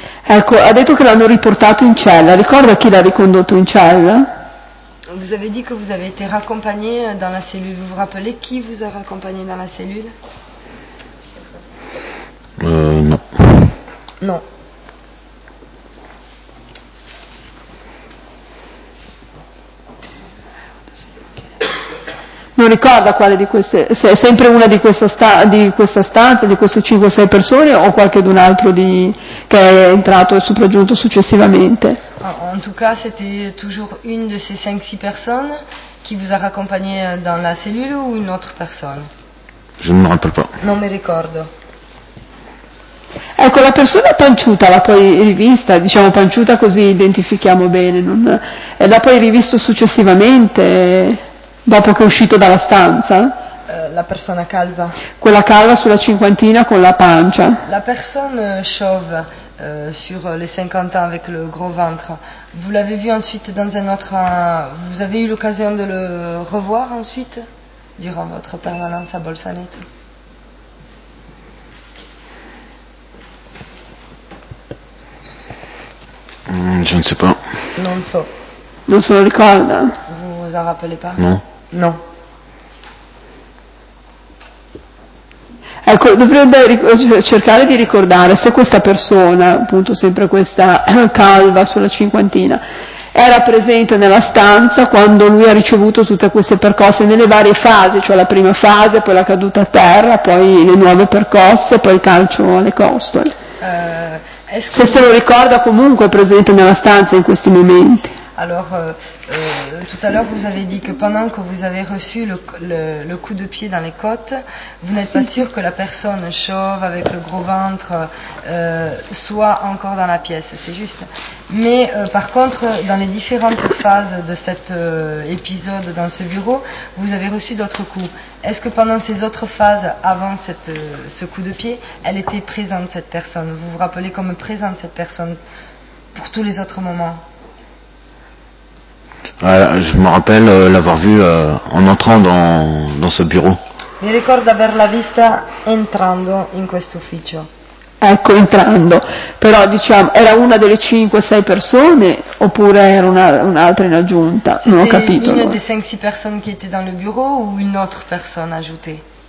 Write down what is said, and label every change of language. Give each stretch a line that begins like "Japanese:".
Italian: Ecco, ha detto che l'hanno riportato in cella. Ricorda chi l'ha ricondotto in cella?
French: Vous avez dit que vous avez été raccompagné dans la cellule. Vous vous rappelez qui vous a raccompagné dans la cellule? Non.
Italian: Non. Non ricorda quale di queste, se è sempre una di questa, di questa stanza, di queste 5-6 persone o qualche d'un altro di, che è entrato e sopraggiunto successivamente?
French: En tout cas, c'était toujours une de ces 5-6 personnes qui vous a raccompagné dans la cellule ou une autre personne? Je ne me rappelle pas.
Italian: Non mi ricordo. Ecco, la persona panciuta l'ha poi rivista, diciamo panciuta così identifichiamo bene, non, e l'ha poi rivisto successivamente... Dopo che è uscito dalla stanza? La persona calva. Quella calva sulla cinquantina con la pancia.
French: La persona chauve sur les 50 ans avec le gros ventre, vous l'avez vu ensuite dans un autre... Vous avez eu l'occasion de le revoir ensuite durant votre permanence à Bolzaneto? Je ne sais pas.
Italian: Non so. Non se lo ricorda?
French: Vous vous en rappelez pas? Non.
Italian: No. Ecco, dovrebbe cercare di ricordare se questa persona, appunto sempre questa calva sulla cinquantina, era presente nella stanza quando lui ha ricevuto tutte queste percosse nelle varie fasi, cioè la prima fase, poi la caduta a terra, poi le nuove percosse, poi il calcio alle costole. Se se lo ricorda comunque presente nella stanza in questi momenti.
French: Alors, tout à l'heure, vous avez dit que pendant que vous avez reçu le coup de pied dans les côtes, vous n'êtes pas sûr que la personne chauve avec le gros ventre soit encore dans la pièce, c'est juste. Mais par contre, dans les différentes phases de cet épisode dans ce bureau, vous avez reçu d'autres coups. Est-ce que pendant ces autres phases, avant ce coup de pied, elle était présente, cette personne? Vous vous rappelez comme présente, cette personne, pour tous les autres moments? Je me rappelle l'avoir vu en entrant dans ce bureau.
Italian: Mi ricordo averla vista entrando in questo ufficio. Ecco, entrando. Però diciamo, era una delle 5-6 persone oppure era un'altra in aggiunta?
French: C'était
Italian: non ho capito. Una delle 5-6 persone che
French: était dans le bureau
Italian: o un'altra persona ajoutée?